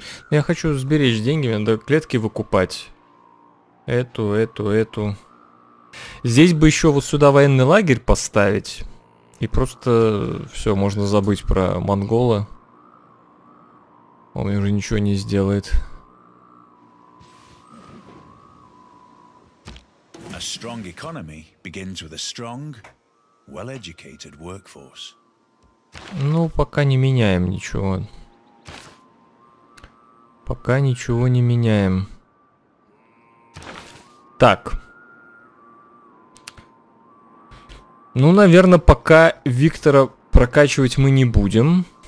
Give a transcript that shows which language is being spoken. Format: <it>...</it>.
<ru>Я хочу сберечь деньги, мне надо клетки выкупать. Эту. Здесь бы еще вот сюда военный лагерь поставить. И просто все, можно забыть про монгола. Он мне уже ничего не сделает.</ru> <en>A strong economy begins with a strong well-educated workforce.</en> <ru>Ну, пока не меняем ничего. Пока ничего не меняем. Так. Ну, наверное, пока Виктора прокачивать мы не будем.</ru>